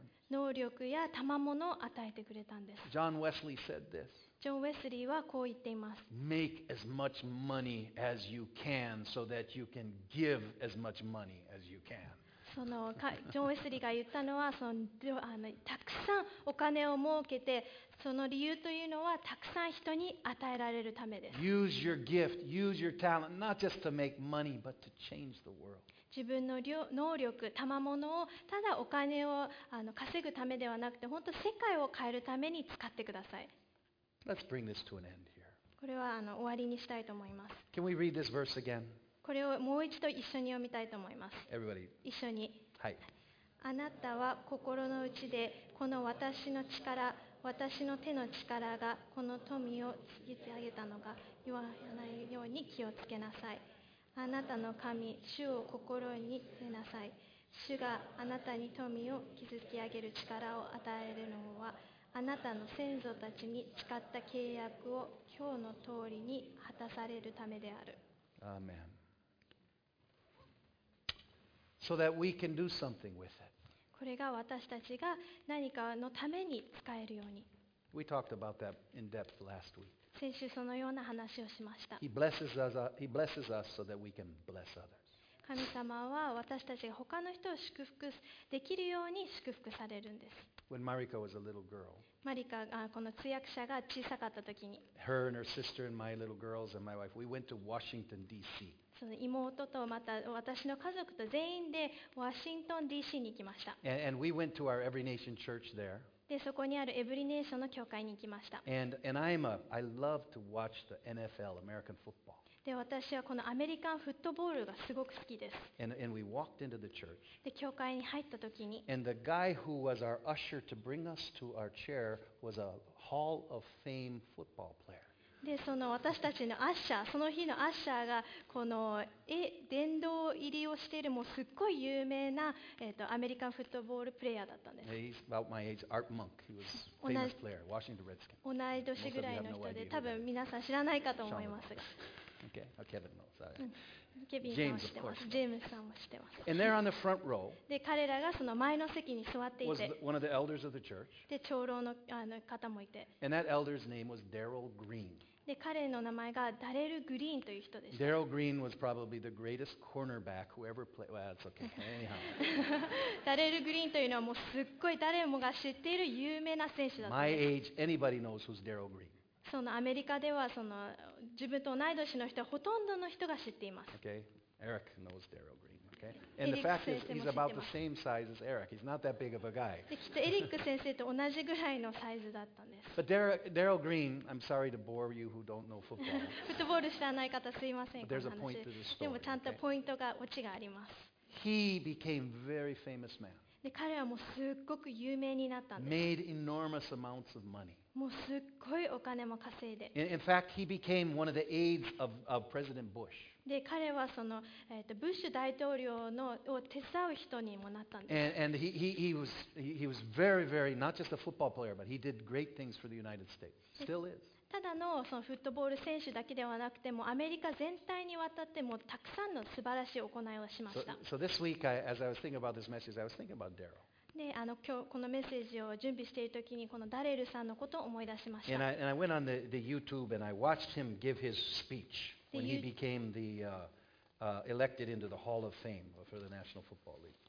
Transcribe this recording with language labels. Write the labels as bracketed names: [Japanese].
[Japanese] 能力や賜物を与えてくれたんです。 [English] ジョン・ウェスリー said this. [Japanese] ジョン・ウェスリーはこう言っています。 [English] Make as much money as you can so that you can give as much money as you can. [Japanese] そのジョン・ウェスリーが言ったのはそのたくさんお金を儲けてその理由というのはたくさん人に与えられるためです。 [English] Use your gift, use your talent, not just to make money, but to change the world. [Japanese] 自分の能力、賜物をただお金を稼ぐためではなくて本当世界を変えるために使ってください。 [English] Let's bring this to an end here. [Japanese] これは終わりにしたいと思います。 [English] Can we read this verse again? [Japanese] これをもう一度一緒に読みたいと思います。 [English] Everybody. [Japanese] 一緒に、はい。あなたは心の内でこの私の力、私の手の力がこの富を突き上げたのか言わないように気をつけなさい。あなたの神、主を心に入れなさい。主があなたに富を築き上げる力を与えるのは、あなたの先祖たちに誓った契約を今日の通りに果たされるためである。アーメン。 [English] So that we can do something with it. [Japanese] これが私たちが何かのために使えるように。 [English] We talked about that in depth last week. [Japanese] 先週そのような話をしました。 [English] He blesses us so that we can bless others. [Japanese] 神様は私たちが他の人を祝福できるように祝福されるんです。 [English] When Marika was a little girl, [Japanese] マリカがこの通訳者が小さかった時に、 [English] her and her sister and my little girls and my wife, we went to Washington D.C. [Japanese] その妹とまた私の家族と全員でワシントン DC に行きました。 [English] And we went to our Every Nation Church there. [Japanese] でそこにあるエブリネーションの教会に行きました。 [English] And I love to watch the NFL, American football. [Japanese] で私はこのアメリカンフットボールがすごく好きです。 [English] And we walked into the church. [Japanese] で教会に入った時に。 [English] And the guy who was our usher to bring us to our chair was a Hall of Fame football player. [Japanese] でその私たちのアッシャー、その日のアッシャーがこの殿堂入りをしているもうすっごい有名な、アメリカンフットボールプレイヤーだったんです。 [English] He's about my age, Art Monk. He was famous player, Washington Redskins. [Japanese] 同い年ぐらいの人で、多分皆さん知らないかと思いますが。 [English] Okay, Kevin knows. Sorry. [Japanese] Kevin さんも知ってます。ジェームスさんも知ってます。 [English] And they're on the front row. [Japanese] で彼らがその前の席に座っていて、 [English] was one of the elders of the church. [Japanese] で長老の方もいて、 [English] and that elder's name was Daryl Green. [Japanese] で彼の名前がダレル・グリーンという人でした。 [English] Daryl Green was probably the greatest cornerback who ever played. Well, that's okay. Anyhow. [Japanese] ダレル・グリーンというのはもうすっごい誰もが知っている有名な選手だったんです。 [English] My age, anybody knows who's Daryl Green. [Japanese] そのアメリカではその自分と同い年の人はほとんどの人が知っています。 [English] Okay, Eric knows Daryl Green. Okay, and the fact is he's about the same size as Eric. He's not that big of a guy. [Japanese] きっとエリック先生と同じぐらいのサイズだったんです。 [English] But Daryl Green, I'm sorry to bore you who don't know football. [Japanese] フットボール知らない方すいません。 [English] But there's a point to the story. [Japanese] でもちゃんとポイントがオチがあります。 [English] He became very famous man. [Japanese] で彼はもうすっごく有名になったんです。 [English] Made enormous amounts of money. [Japanese] もうすっごいお金も稼いで。 [English] In fact, he became one of the aides of President Bush. [Japanese] で、彼はその、ブッシュ大統領のを手伝う人にもなったんです。 [English] And he was very, very, not just a football player, but he did great things for the United States. Still is. [Japanese] ただのそのフットボール選手だけではなくても、アメリカ全体にわたってもうたくさんの素晴らしい行いをしました。 [English] So this week, as I was thinking about this message, I was thinking about Daryl. [Japanese] で、あの、今日このメッセージを準備しているときにこのダレルさんのことを思い出しました。 [English] And I went on the YouTube and I watched him give his speech when he became the elected into the Hall of Fame for the National Football League.